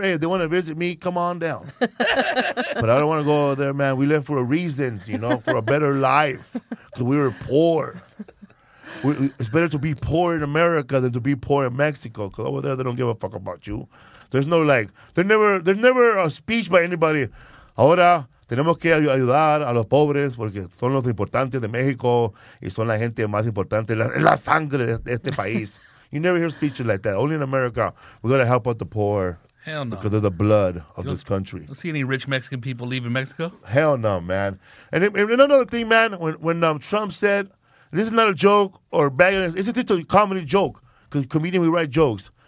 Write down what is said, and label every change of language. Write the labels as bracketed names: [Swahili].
[English] Hey, if they want to visit me, come on down. But I don't want to go over there, man. We live for a reason, you know, for a better life. Because we were poor. It's better to be poor in America than to be poor in Mexico. Because over there, they don't give a fuck about you. There's no, like, there's never a speech by anybody. [Spanish] Ahora tenemos que ayudar a los pobres porque son los importantes de México y son la gente más importante, la sangre de este país. [English] You never hear speeches like that. Only in America, we got to help out the poor. Hell no. Because of the blood of this country. You don't see any rich Mexican people leaving Mexico? Hell no, man. And another thing, man, when Trump said, this is not a joke or bad, this is just a comedy joke because comedians, we write jokes.